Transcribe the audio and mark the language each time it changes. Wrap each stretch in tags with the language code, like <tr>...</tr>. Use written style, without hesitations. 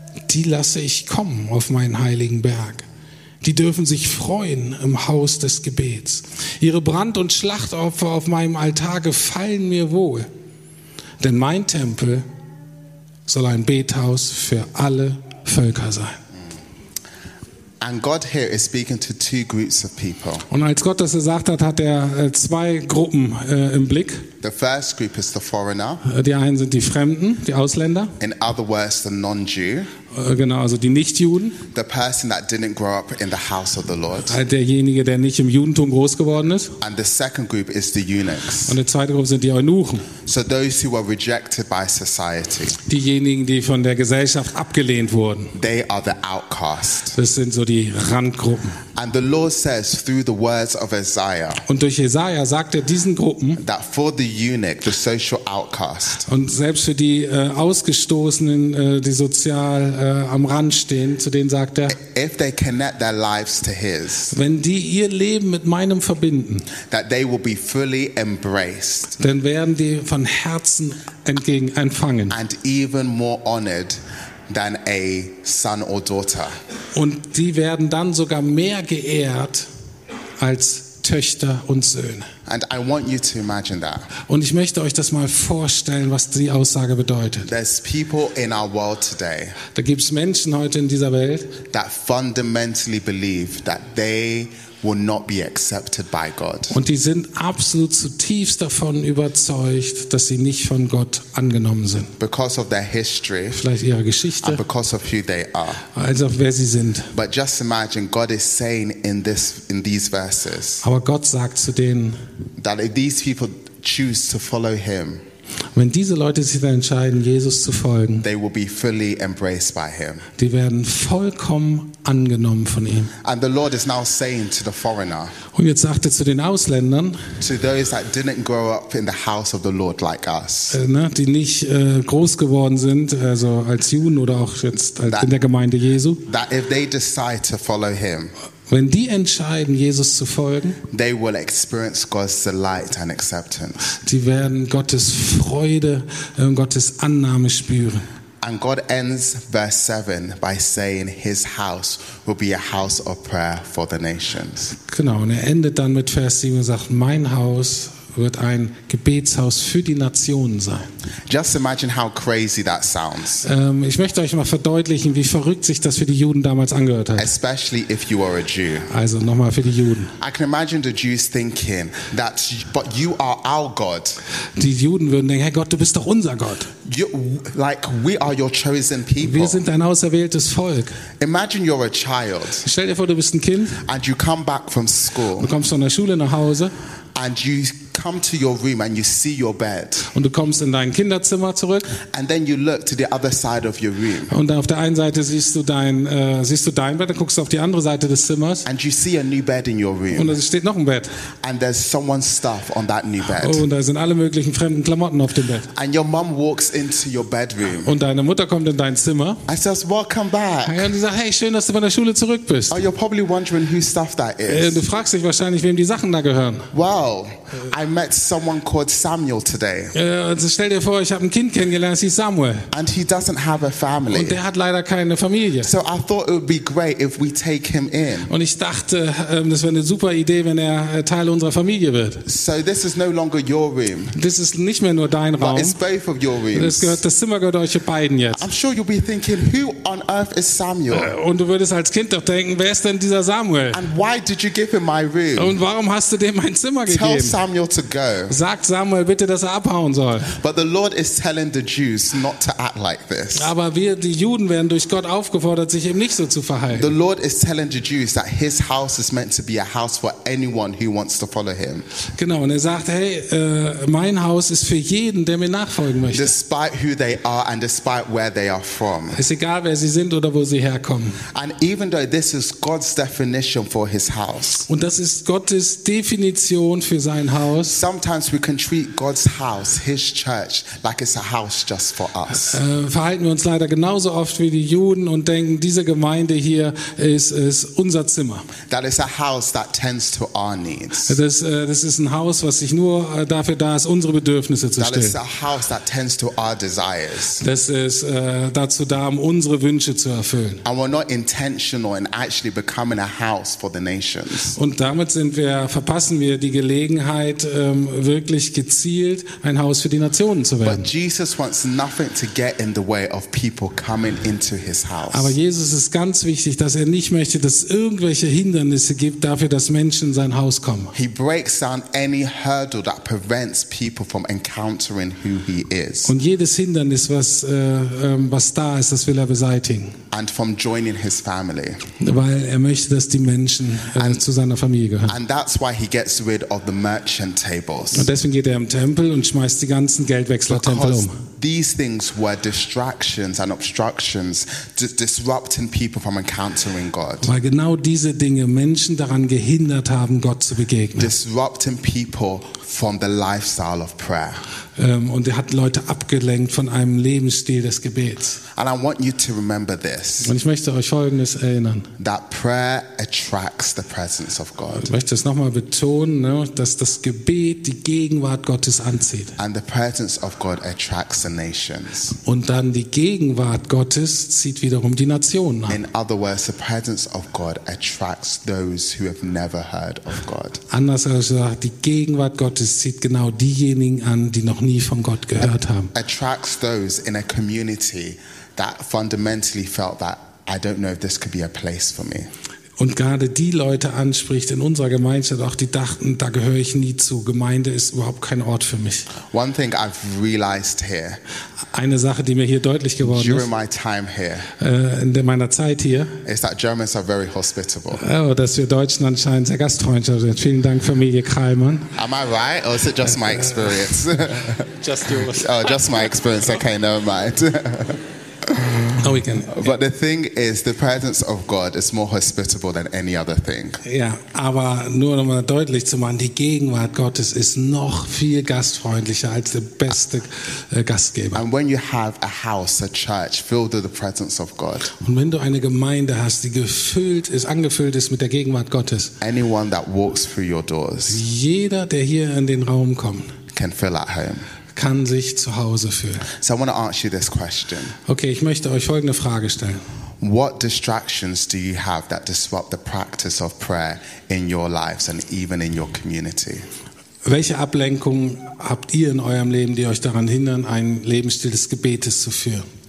<de>die lasse ich kommen auf meinen heiligen Berg. Die dürfen sich freuen im Haus des Gebets. Ihre Brand- und Schlachtopfer auf meinem Altar gefallen mir wohl. Denn mein Tempel soll ein Bethaus für alle Völker sein.</de> <en>And God here is speaking to two groups of people.</en> <de>Und als Gott das gesagt hat, hat er zwei Gruppen im Blick.</de> <en>The first group is the foreigner.</en> <de>Die einen sind die Fremden, die Ausländer.</de> <en>In other words, the non-Jew.</en> <de>Genau, also die Nichtjuden.</de> <en>The person that didn't grow up in the house of the Lord.</en> <de>Derjenige, der nicht im Judentum groß geworden ist.</de> <en>And the second group is the eunuchs.</en> <de>Und die zweite Gruppe sind die Eunuchen.</de> <en>So those who were rejected by society.</en> <de>Diejenigen, die von der Gesellschaft abgelehnt wurden.</de> <en>They are the outcasts.</en> <de>Das sind so die Randgruppen.</de> <en>And the Lord says through the words of Isaiah.</en> <de>Und durch Jesaja sagt er diesen Gruppen.</de> <en>That for the eunuch, the social outcast.</en> <de>Und selbst für die Ausgestoßenen, die sozial am Rand stehen, zu denen sagt er,</de> <en>if they connect their lives to his,</en> <de>wenn die ihr Leben mit meinem verbinden,</de> <en>that they will be fully embraced,</en> <de>dann werden die von Herzen entgegen empfangen.</de> <en>And even more honored than a son or daughter.</en> <de>Und die werden dann sogar mehr geehrt als Töchter und Söhne.</de> <en>And I want you to imagine that.</en> <de>Und ich möchte euch das mal vorstellen, was die Aussage bedeutet.</de> <en>There's people in our world today.</en> <de>Da gibt's Menschen heute in dieser Welt,</de> <en>that fundamentally believe that they will not be accepted by God.</en> <de>Und die sind absolut zutiefst davon überzeugt, dass sie nicht von Gott angenommen sind.</de> <en>Because of their history,</en> <de>vielleicht ihre Geschichte,</de> <en>and because of who they are.</en> <de>Also wer sie sind.</de> <en>But just imagine, God is saying in these verses.</en> <de>Aber Gott sagt zu denen,</de> <en>that if these people choose to follow him,</en> <de>wenn diese Leute sich dann entscheiden, Jesus zu folgen,</de> <en>they will be fully embraced by him.</en> <de>Die werden vollkommen angenommen von ihm.</de> <en>And the Lord is now saying to the foreigner,</en> <de>und jetzt sagt er zu den Ausländern,</de> <en>to those that didn't grow up in the house of the Lord like us,</en> <de>die nicht groß geworden sind, also als Juden oder auch jetzt als that, in der Gemeinde Jesu,</de> <en>that if they decide to follow him,</en> <de>wenn die entscheiden, Jesus zu folgen,</de> <en>they will experience God's delight and acceptance.</en> <de>Die werden Gottes Freude und Gottes Annahme spüren.</de> <en>And God ends verse 7 by saying his house will be a house of prayer for the nations.</en> <de>Genau, und er endet dann mit Vers 7 und sagt, mein Haus wird ein Gebetshaus für die Nationen sein.</de> <en>Just imagine how crazy that sounds.</en> <de>Ich möchte euch mal verdeutlichen, wie verrückt sich das für die Juden damals angehört hat.</de> <en>Especially if you are a Jew.</en> <de>Also nochmal für die Juden.</de> <en>I can imagine the Jews thinking that, but you are our God.</en> <de>Die Juden würden denken, hey Gott, du bist doch unser Gott.</de> <en>You, like we are your chosen people.</en> <de>Wir sind dein auserwähltes Volk.</de> <en>Imagine you're a child.</en> <de>Stell dir vor, du bist ein Kind.</de> <en>And you come back from school.</en> <de>Du kommst von der Schule nach Hause.</de> <en>And you come to your room and you see your bed.</en> <de>Und du kommst in dein Kinderzimmer zurück.</de> <en>And then you look to the other side of your room.</en> <de>Und auf der einen Seite siehst du dein Bett, dann guckst du auf die andere Seite des Zimmers.</de> <en>And you see a new bed in your room.</en> <de>Und da steht noch ein Bett.</de> <en>And there's someone's stuff on that new bed.</en> <de>Und da sind alle möglichen fremden Klamotten auf dem Bett.</de> <en>And your mom walks into your bedroom.</en> <de>Und deine Mutter kommt in dein Zimmer.</de> <en>And says, "Welcome back."</en> <de>Und sie sagt, hey, schön, dass du von der Schule zurück bist.</de> <en>Oh, you're probably wondering whose stuff that is.</en> <de>Du fragst dich wahrscheinlich, wem die Sachen da gehören.</de> <en>Wow. I met someone called Samuel today.</en> <de>Also stell dir vor, ich habe ein Kind kennengelernt, es hieß Samuel.</de> <en>And he doesn't have a family.</en> <de>Und der hat leider keine Familie.</de> <en>So I thought it would be great if we take him in.</en> <de>Und ich dachte, das wäre eine super Idee, wenn er Teil unserer Familie wird.</de> <en>So this is no longer your room.</en> <de>Das ist nicht mehr nur dein Raum.</de> <en>But it's both of your rooms.</en> <de>Das Zimmer gehört euch beiden jetzt.</de> <en>I'm sure you'll be thinking, who on earth is Samuel?</en> <de>Und du würdest als Kind doch denken, wer ist denn dieser Samuel?</de> <en>And why did you give him my room?</en> <de>Und warum hast du dem mein Zimmer gegeben?</de> <en>Tell Samuel to go.</en> <de>Sagt Samuel bitte, dass er abhauen soll.</de> <en>But the Lord is telling the Jews not to act like this.</en> <de>Aber wir, die Juden, werden durch Gott aufgefordert, sich eben nicht so zu verhalten.</de> <en>The Lord is telling the Jews that his house is meant to be a house for anyone who wants to follow him.</en> <de>Genau, und er sagt, hey, mein Haus ist für jeden, der mir nachfolgen möchte.</de> <en>Despite who they are and despite where they are from.</en> <de>Ist egal, wer sie sind oder wo sie herkommen.</de> <en>And even though this is God's definition for his house.</en> <de>Und das ist Gottes Definition für sein Haus.</de> <en>Sometimes we can treat God's house, his church, like it's a house just for us.</en> <de>Verhalten wir uns leider genauso oft wie die Juden und denken, diese Gemeinde hier ist unser Zimmer.</de> <en>That is a house that tends to our needs.</en> <de>Das ist ein Haus, was sich nur dafür da ist, unsere Bedürfnisse zu stillen.</de> <en>That is a house that tends to our our desires.</en> <de>Das ist dazu da, um unsere Wünsche zu erfüllen.</de> <en>And we're not intentional in actually becoming a house for the nations.</en> <de>Und damit verpassen wir die Gelegenheit, wirklich gezielt ein Haus für die Nationen zu werden.</de> <en>But Jesus wants nothing to get in the way of people coming into his house.</en> <de>Aber Jesus ist ganz wichtig, dass er nicht möchte, dass irgendwelche Hindernisse gibt dafür, dass Menschen in sein Haus kommen.</de> <en>He breaks down any hurdle that prevents people from encountering who he is.</en> <de>Und jedes Hindernis, was da ist, das will er beseitigen.</de> <en>And from joining his family.</en> <de>Weil er möchte, dass die Menschen zu seiner Familie gehören.</de> <en>And that's why he gets rid of the merchant tables.</en> <de>Und deswegen geht er im Tempel und schmeißt die ganzen Geldwechsler-Tempel um.</de> <en>These things were distractions and obstructions, disrupting people from encountering God.</en> <de>Weil genau diese Dinge Menschen daran gehindert haben, Gott zu begegnen.</de> <en>Disrupting people from the lifestyle of prayer.</en> <de>Und er hat Leute abgelenkt von einem Lebensstil des Gebets.</de> <en>And I want you to remember this.</en> <de>Und ich möchte euch Folgendes erinnern.</de> <en>That prayer attracts the presence of God.</en> <de>Ich möchte es nochmal betonen, ne, dass das Gebet die Gegenwart Gottes anzieht.</de> <en>And the presence of God attracts the nations.</en> <de>Und dann die Gegenwart Gottes zieht wiederum die Nationen an.</de> <en>In other words, the presence of God attracts those who have never heard of God.</en> <de>Anders als gesagt, die Gegenwart Gottes zieht genau diejenigen an, die noch nie von Gott gehört haben.</de> <en>Attracts those in a community that fundamentally felt that I don't know if this could be a place for me.</en> <de>Und gerade die Leute anspricht in unserer Gemeinschaft, auch die dachten, da gehöre ich nie zu. Gemeinde ist überhaupt kein Ort für mich.</de> <en>One thing I've realized here.</en> <de>Eine Sache, die mir hier deutlich geworden ist.</de> <en>During my time here.</en> <de>In meiner Zeit hier.</de> <en>Is that Germans are very hospitable.</en> <de>Oh, dass wir Deutschen anscheinend sehr gastfreundlich sind. Vielen Dank, Familie Kreimann.</de> <en>Am I right or is it just my experience? Just yours. Oh, just my experience. Okay, never mind. No, we can. But the thing is, the presence of God is more hospitable than any other thing.</en> <de>Ja, aber nur um mal deutlich zu machen, die Gegenwart Gottes ist noch viel gastfreundlicher als der beste Gastgeber.</de> <en>And when you have a house, a church filled with the presence of God.</en> <de>Und wenn du eine Gemeinde hast, die angefüllt ist mit der Gegenwart Gottes.</de> <en>Anyone that walks through your doors.</en> <de>Jeder, der hier in den Raum kommt,</de> <en>can feel at home.</en> <de>Kann sich zu Hause fühlen.</de> <en>So I want to ask you this question.</en> <de>Okay, ich möchte euch folgende Frage stellen.</de> <en>What distractions do you have that disrupt the practice of prayer in your lives and even in your community?</en> <de>Welche Ablenkungen habt ihr in eurem Leben, die euch daran hindern, einen Lebensstil des Gebetes zu führen?</de>